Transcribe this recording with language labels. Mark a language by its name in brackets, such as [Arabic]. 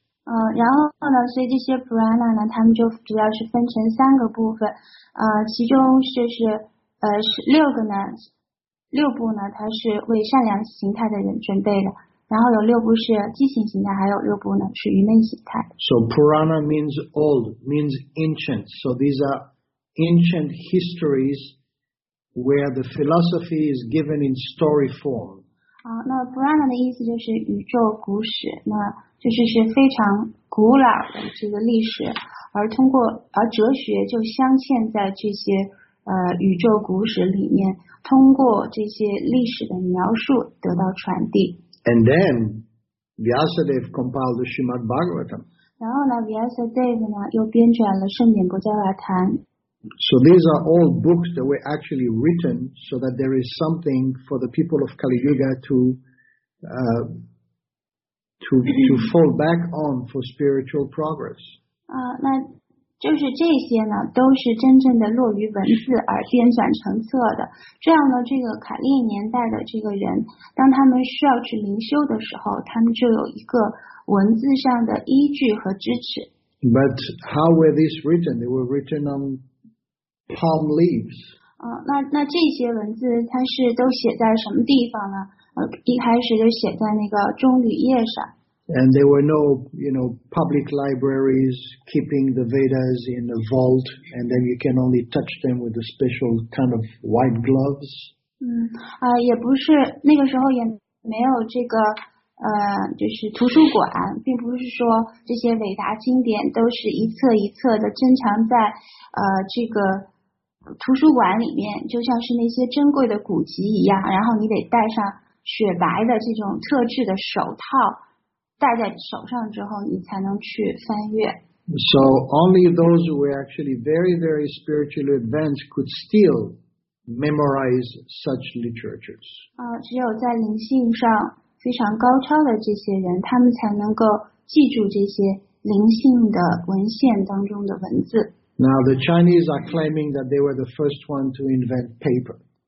[Chinese] 然后呢，所以这些 Purana 呢，他们就主要是分成三个部分。其中就是六部呢，它是为善良形态的人准备的，然后有六部是畸形形态，还有六部呢是愚昧形态。 [English] So Purana means old, means ancient. So these are ancient histories where the philosophy is given in story form. [Chinese] 那 Purana 的意思就是宇宙古史，那就是是非常古老的这个历史。而哲学就镶嵌在这些宇宙古史里面，通过这些历史的描述得到传递。 [English] And then Vyasadeva compiled the Srimad Bhagavatam. [Chinese] 然后呢 ，Vyasadeva 呢又编撰了《圣典·国家瓦坛》。 [English] So these are all books that were actually written so that there is something for the people of Kali Yuga to fall back on for spiritual progress. [Chinese] 那就是这些呢，都是真正的落于文字而编纂成册的。这样呢，这个卡列年代的这个人，当他们需要去灵修的时候，他们就有一个文字上的依据和支持。 [English] But how were these written? They were written on palm leaves. [Chinese] 那这些文字它是都写在什么地方呢？一开始就写在那个棕榈叶上。 [English] And there were no, you know, public libraries keeping the Vedas in a vault, and then you can only touch them with a special kind of white gloves. [Chinese] 也不是那个时候也没有这个就是图书馆，并不是说这些伟大经典都是一册一册的珍藏在这个图书馆里面，就像是那些珍贵的古籍一样，然后你得戴上雪白的这种特制的手套。戴在手上之后，你才能去翻阅。 [English] So only those who were actually very, very spiritually advanced could still memorize such literatures. [Chinese] 只有在灵性上非常高超的这些人，他们才能够记住这些灵性的文献当中的文字。 [English] Now the Chinese are claiming that they were the first one to invent paper.